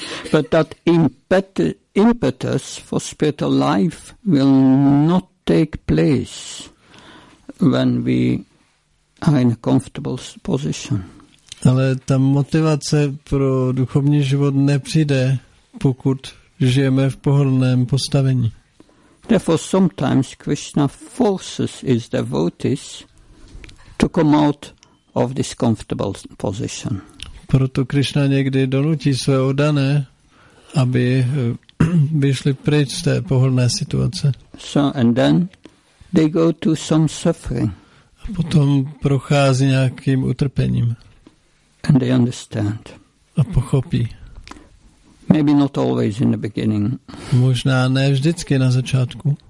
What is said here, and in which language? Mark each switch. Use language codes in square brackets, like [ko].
[en] But that impetus for spiritual life will not take place when we are in a comfortable position. [cs] Ale ta motivace pro duchovní život nepřijde, pokud žijeme v pohodlném postavení. [en] Therefore sometimes Krishna forces his devotees to come out of this comfortable position. [cs] Proto Krishna někdy donutí své oddané, aby vyšli pryč z té pohodlné situace. [en] So and then they go to some suffering. [cs] A potom prochází nějakým utrpením. [en] And they understand. [cs] A pochopí. [en] Maybe not always in the beginning. [cs] Možná ne vždycky na začátku.